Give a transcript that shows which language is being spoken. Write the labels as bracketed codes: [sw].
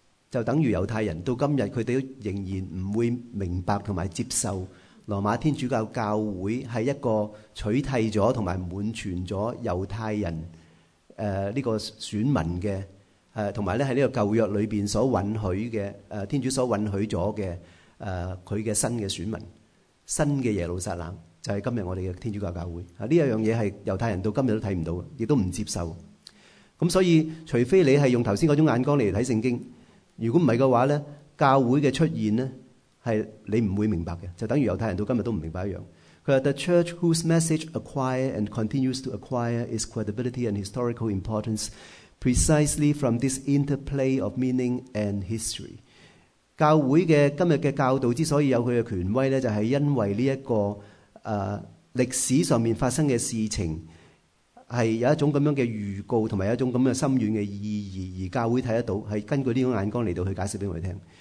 [zh] 就等于犹太人到今日他们仍然不会明白和接受罗马天主教教会是一个取替了和满全了犹太人这个选民的，还有在这个旧约里面所允许的，天主所允许了的，他的新的选民，新的耶路撒冷，就是今日我们的天主教教会。这样东西是犹太人到今日都看不到，也都不接受。所以除非你是用刚才那种眼光来看圣经，如果不是的话，教会的出现是你不会明白的，就等于犹太人到今天都不明白一样。他说 [en] The church whose message acquired and continues to acquire its credibility and historical importance precisely from this interplay of meaning and history。 [zh] 教会的今天的教导之所以有他的权威，就是因为这个历史上面发生的事情是有一种这样的预告，还有一种这样的深远的意义，而教会看得到，是根据这种眼光来到去解释给我们听。